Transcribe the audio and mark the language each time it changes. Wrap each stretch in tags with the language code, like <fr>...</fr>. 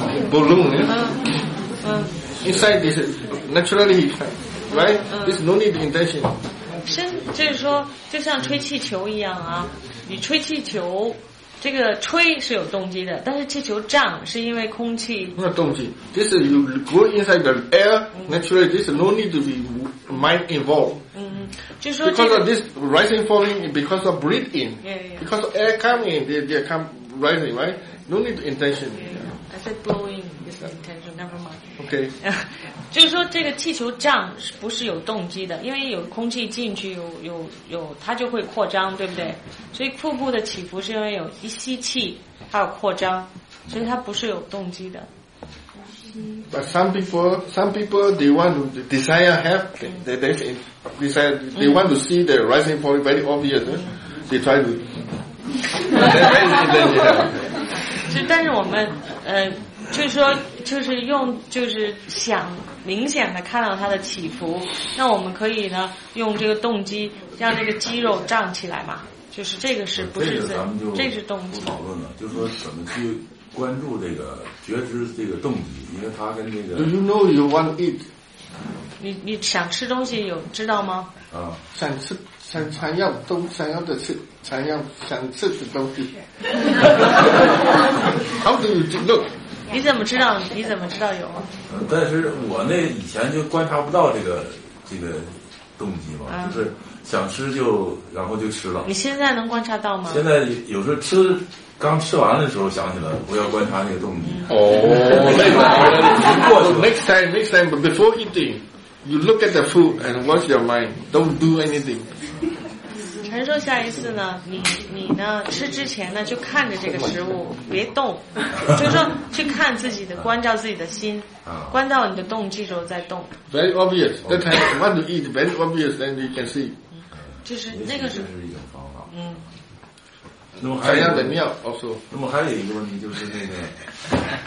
<en>balloon. Inside this, naturally, right? This no need intention.</en> <zh>就是说，就像吹气球一样啊，你吹气球，这个吹是有动机的，但是气球胀是因为空气。没有动机。</zh> <en>This is you go inside the air. Naturally, this no need to be mind involved.</en> <zh>就说这个、</zh> <en>because of this rising falling, because of breathing, because of air coming, they come rising, right? No need intention. I said blowing is intention. Never mind. Okay.</en> <zh>就是说这个气球胀是不是有动机的？因为有空气进去，有它就会扩张，对不对？所以腹部的起伏是因为有一吸气，它有扩张，所以它不是有动机的。</zh> <en>But some people they want to desire have they want to see the rising point very obvious. They try to.</en> <zh>就但是我们就是说就是用就是想明显的看到它的起伏，那我们可以呢用这个动机让这个肌肉胀起来嘛，就是这个是不是这个这是动机？讨论了，就是说怎么去。关注这个觉知这个动机，因为它跟这个。</zh> <en>Do you know you want to eat？</en> <zh>你想吃东西有知道吗？啊，想吃想要都想要的吃想要想吃的东西。</zh> <en>How do you know？</en> <zh>你怎么知道有？但是我那以前就观察不到这个动机嘛，就是想吃就然后就吃了。你现在能观察到吗？现在有时候吃。刚吃完的时候想起来，我要观察那个动机。</zh> <en>哦，next time, next time, but before eating, you look at the food and watch your mind. Don't do anything.</en> <zh>陈说下一次呢，你呢吃之前呢就看着这个食物别动，就是说去看自己的，关照自己的心，关照你的动机之后再动。</zh> <en>Very obvious. That time you want to eat, very obvious, then you can see.</en> <zh>就是那个是。嗯。那么还有尿 also. 那么还有一个问题就是那个。</zh>